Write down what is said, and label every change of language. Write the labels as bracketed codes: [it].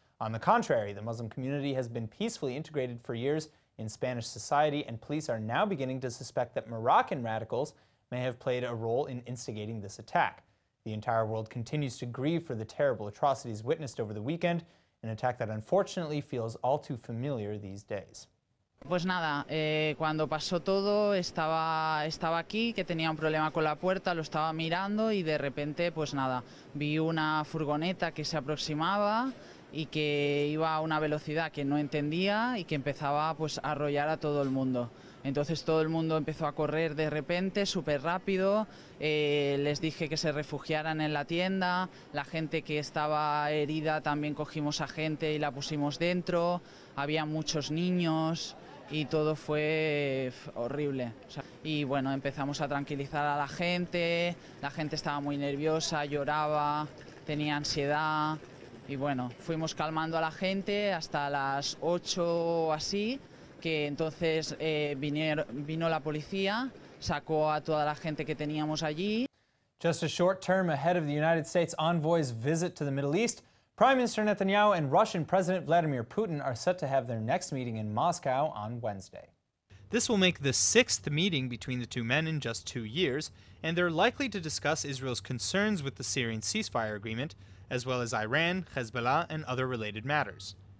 [en] On the contrary, the Muslim community has been peacefully integrated for years in Spanish society, and police are now beginning to suspect that Moroccan radicals may have played a role in instigating this attack. The entire world continues to grieve for the terrible atrocities witnessed over the weekend, an attack that unfortunately feels all too familiar these days. [es] Pues nada, cuando pasó todo estaba aquí, que tenía un problema con la puerta, lo estaba mirando y de repente, pues nada, vi una furgoneta que se aproximaba y que iba a una velocidad que no entendía y que empezaba pues a arrollar a todo el mundo. Entonces todo el mundo empezó a correr de repente, súper rápido, les dije que se refugiaran en la tienda, la gente que estaba herida también cogimos a gente y la pusimos dentro, había muchos niños. Y todo fue horrible. O sea, y bueno, empezamos a tranquilizar a la gente estaba muy nerviosa, lloraba, tenía ansiedad. Y bueno, fuimos calmando a la gente hasta las 8 o así, que entonces vino la policía, sacó a toda la gente que teníamos allí. [en] Just a short term ahead of the United States envoy's visit to the Middle East, Prime Minister Netanyahu and Russian President Vladimir Putin are set to have their next meeting in Moscow on Wednesday. This will make the sixth meeting between the two men in just 2 years, and they're likely to discuss Israel's concerns with the Syrian ceasefire agreement, as well as Iran, Hezbollah, and other related matters.